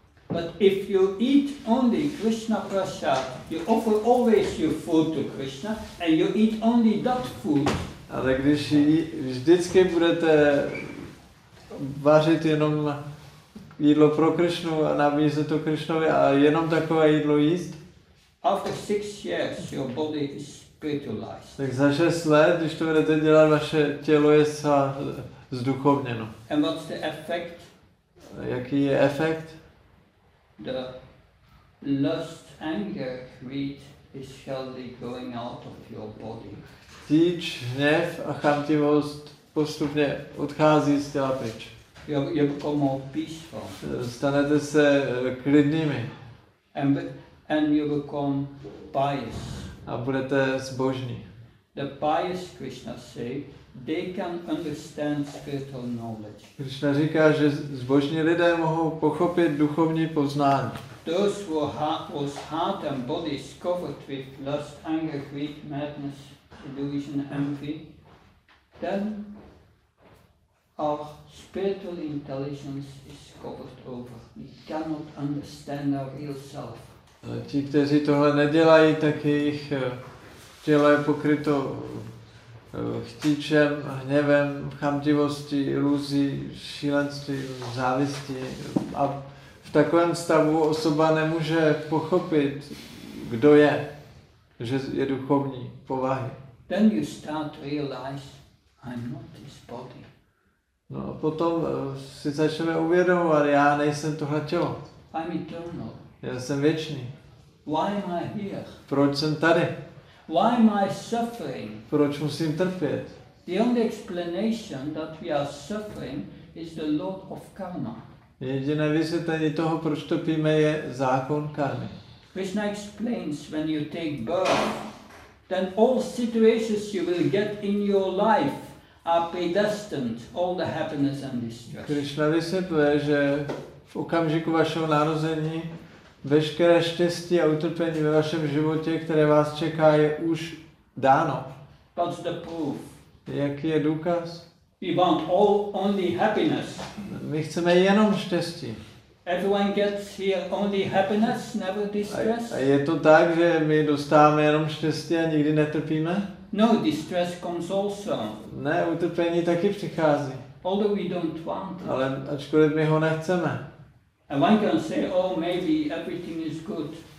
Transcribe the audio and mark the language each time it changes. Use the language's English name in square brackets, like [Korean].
[English] But if you eat only Krishna prasad, you offer always your food to Krishna, and you eat only that food. [Czech] Ale když vždycky budete vařit jenom jídlo pro Krishnu a nabízet to Krishnovi a jenom takové jídlo jíst. [English] After 6 years, your body is spiritualized. [Czech] Tak za 6 let, když to budete dělat, vaše tělo je zduchovněno. [English] And what's the effect? [Czech] Jaký je efekt? [English] The lust, anger, greed is slowly going out of your body. [Czech] Chtíč, hněv a chamtivost postupně odchází z těla pryč. [English] You become more peaceful. [Czech] Stanete se klidnými. [English] And you become pious. [Czech] A budete zbožní. [English] The pious Krishna say, they can understand spiritual knowledge. [Czech] Krishna říká, že zbožní lidé mohou pochopit duchovní poznání. [English] Those whose heart and body is covered with lust, anger, greed, madness, delusion, envy, then our spiritual intelligence is covered over. We cannot understand our real self. [Czech] Ti, kteří tohle nedělají, tak jejich Tělo je pokryto chtíčem, hněvem, chamtivostí, iluzí, šílenství, závistí. A v takovém stavu osoba nemůže pochopit, kdo je, že je duchovní povahy. [English] Then you start to realize, I'm not this body. [Czech] No a potom si začneme uvědomovat, já nejsem tohle tělo. [English] I'm eternal. [Czech] Já jsem věčný. [English] Why am I here? [Czech] Proč jsem tady? [English] Why am I suffering? [Czech] Proč musím trpět? [English] The only explanation that we are suffering is the law of karma. [Czech] Jediné vysvětlení toho, proč trpíme, je zákon karmy. [English] Krishna explains when you take birth, then all situations you will get in your life are predestined, all the happiness and distress. [Czech] Krishna vysvětluje, že v okamžiku vašeho narození veškeré štěstí a utrpení ve vašem životě, které vás čeká, je už dáno. [English] What's the proof? [Czech] Jaký je důkaz? [English] We want all only happiness. [Czech] My chceme jenom štěstí. [English] Everyone gets here only happiness, never distress. [Czech] A je to tak, že my dostáváme jenom štěstí a nikdy netrpíme? [English] No, distress comes also. [Czech] Ne, utrpení taky přichází. [English] Although we don't want. [Czech] Ale ačkoliv my ho nechceme. [English] And one can say, oh, maybe everything is good.